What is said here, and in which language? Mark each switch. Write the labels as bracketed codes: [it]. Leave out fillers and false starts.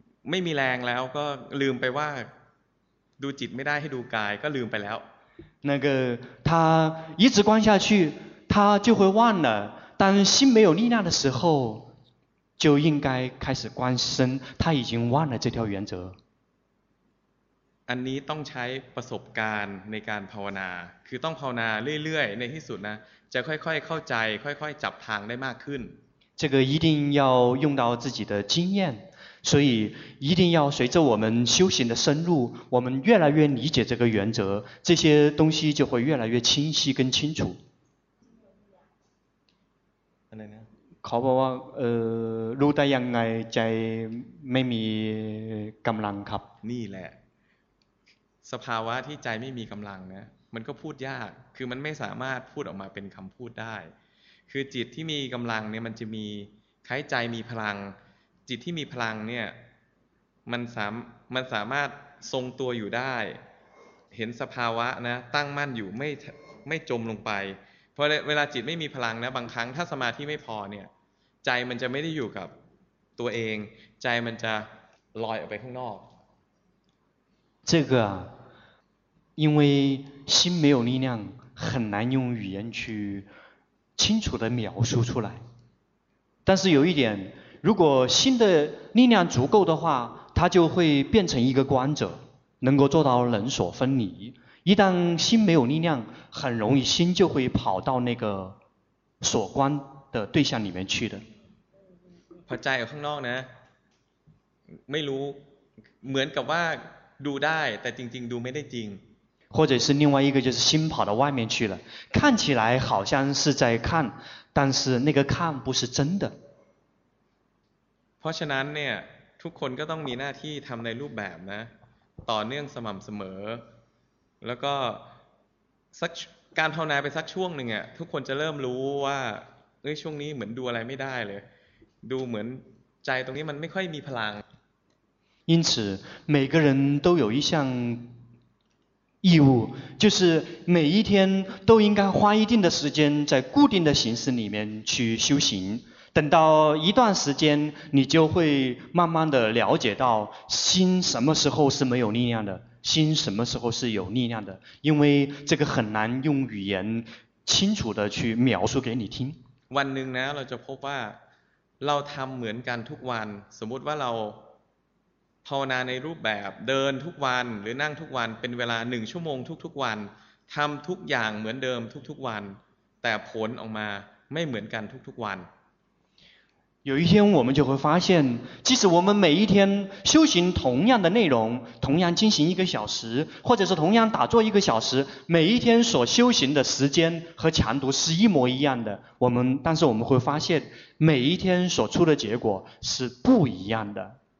[th] ไม่มีแรงแล้วก็ลืมไปว่าดูจิตไม่ได้ให้ดูกายก็ลืมไปแล้ว。 [zh] 那个他一直关下去，他就会忘了。当心没有力量的时候，就应该开始关身。他已经忘了这条原则。 [th] อันนี้ต้องใช้ประสบการณ์ในการภาวนาคือต้องภาวนาเรื่อยๆในที่สุดนะจะค่อยๆเข้าใจค่อยๆจับทางได้มากขึ้น [zh] 这个一定要用到自己的经验所以一定要随着我们修行的深入我们越来越理解这个原则这些东西就会越来越清晰跟清楚 [th] อะไรนะ เขาบอกว่ารู้ได้ยังไงใจไม่มีกำลังครับ นี่แหละสภาวะที่ใจไม่มีกำลังนะมันก็พูดยากคือมันไม่สามารถพูดออกมาเป็นคำพูดได้คือจิตที่มีกำลังเนี่ยมันจะมีคล้ายใจมีพลังจิตที่มีพลังเนี่ยมันสามารถทรงตัวอยู่ได้เห็นสภาวะนะตั้งมั่นอยู่ไม่จมลงไปเพราะเวลาจิตไม่มีพลังนะบางครั้งถ้าสมาธิไม่พอเนี่ยใจมันจะไม่ได้อยู่กับตัวเองใจมันจะลอยออกไปข้างนอก [zh] 这个啊，因为心没有力量，很难用语言去清楚地描述出来。但是有一点，如果心的力量足够的话，它就会变成一个观者，能够做到人所分离。一旦心没有力量，很容易心就会跑到那个所观的对象里面去的。 [th] พอใจอยู่ข้างนอกนะ，ไม่รู้เหมือนกับว่าดูได้แต่จริงๆดูไม่ได้จริง [zh] 或者是另外一个就是心跑到外面去了看起来好像是在看但是那个看不是真的 [th] เพราะฉะนั้นเนี่ยทุกคนก็ต้องมีหน้าที่ทำในรูปแบบนะต่อเนื่องสม่ำเสมอแล้วก็สักการภาวนาไปสักช่วงหนึ่งอ่ะทุกคนจะเริ่มรู้ว่าเอ้ยช่วงนี้เหมือนดูอะไรไม่ได้เลยดูเหมือนใจตรงนี้มันไม่ค่อยมีพลัง [zh] 因此每个人都有一项义务就是每一天都应该花一定的时间在固定的形式里面去修行等到一段时间你就会慢慢的了解到心什么时候是没有力量的心什么时候是有力量的因为这个很难用语言清楚的去描述给你听 [th] วันหนึ่งนะเราจะพบว่าเราทำเหมือนกันทุกวันสมมติว่าเราภาวนาในรูปแบบเดินทุกวันหรือนั่งทุกวันเป็นเวลา1ชั่วโมงทุกๆวันทำทุกอย่างเหมือนเดิมทุกๆวันแต่ผลออกมาไม่เหมือนกันทุกๆวัน [zh] 有一天我们就会发现即使我们每一天修行同样的内容同样进行一个小时或者是同样打坐一个小时每一天所修行的时间和强度是一模一样的但是我们会发现每一天所出的结果是不一样的